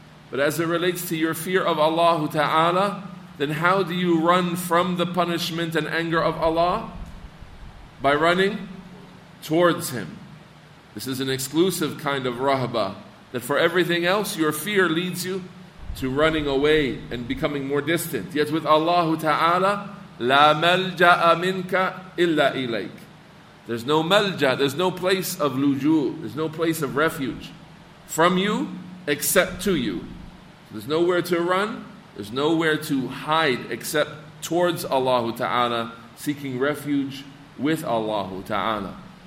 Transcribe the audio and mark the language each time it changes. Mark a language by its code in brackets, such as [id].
[en] But as it relates to your fear of Allah Ta'ala, then how do you run from the punishment and anger of Allah? By running towards Him. This is an exclusive kind of rahba, that for everything else, your fear leads you to running away and becoming more distant. Yet with Allah Ta'ala, [ar] لا ملجأ منك إلا إليك. [en] There's no ملجأ, there's no place of لجوء, there's no place of refuge from you except to you. There's nowhere to run. There's nowhere to hide except towards Allah Ta'ala, seeking refuge with Allah Ta'ala.